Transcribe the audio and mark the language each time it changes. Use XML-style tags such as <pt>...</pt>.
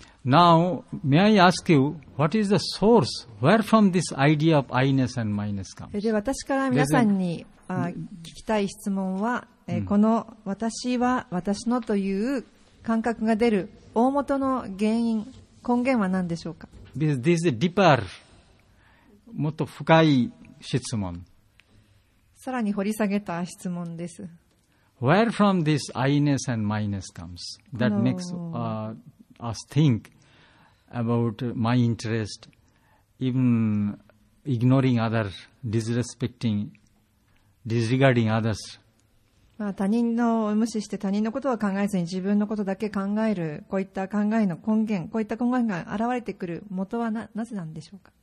<en>Now, may I ask you, what is the source? Where from this idea of I-ness and my-ness comes?</en> <ja>で、私から皆さんに聞きたい質問は、この私は私のという感覚が出る大元の原因、根源は何でしょうか？</ja> <en>This is a deeper,</en> <ja>もっと深い質問。さらに掘り下げた質問です。</ja> <en>Where from this I-ness and my-ness comes? That makes us think about my interest, even ignoring others, disrespecting, disregarding others.</en> <ja>まあ、他人のを無視して他人のことは考えずに自分のことだけ考える、こういった考えの根源、こういった根源が現れてくる元は なぜなんでしょうか？</ja>